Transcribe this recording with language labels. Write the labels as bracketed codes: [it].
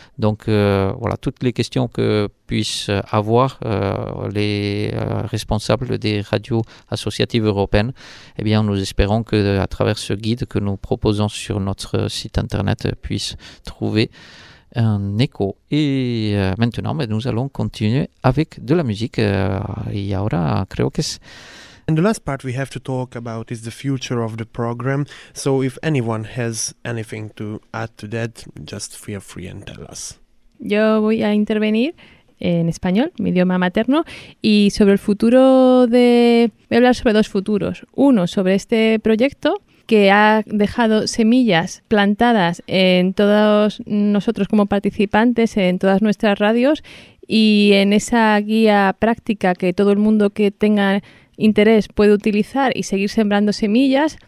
[fr] Donc toutes les questions que puissent avoir les responsables des radios associatives européennes, eh bien nous espérons que à travers ce guide que nous proposons sur notre site internet puissent trouver un écho. Et maintenant nous allons continuer avec de la musique. [es] Y ahora creo que es. [en] And the last part we have to talk about is the future of the program. So if anyone has anything to add to that, just feel free and tell us. [es] Yo voy a intervenir. en español, mi idioma materno, y sobre el futuro de... Voy a hablar sobre dos futuros. Uno, sobre este proyecto que ha dejado semillas plantadas en todos nosotros como participantes, en todas nuestras radios, y en esa guía práctica que todo el mundo que tenga interés puede utilizar y seguir sembrando semillas.